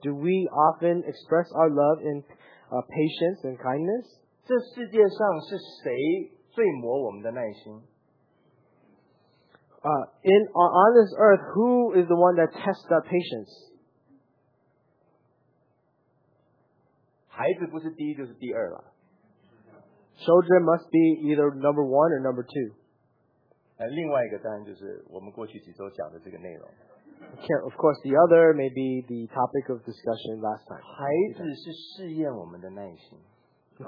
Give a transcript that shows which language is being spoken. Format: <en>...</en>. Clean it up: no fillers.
<en>Do we often express our love in patience and kindness?</en> <zh>这世界上是谁最磨我们的耐心？</zh> <en>On this earth, who is the one that tests our patience?</en> <zh>孩子不是第一就是第二了。Children</zh> <en>must be either number one or number two.</en> <zh>另外一个当然就是我们过去几周讲的这个内容。Okay,</zh> <en>of course, the other may be the topic of discussion last time.</en> <zh>孩子是试验我们的耐心。Of</zh>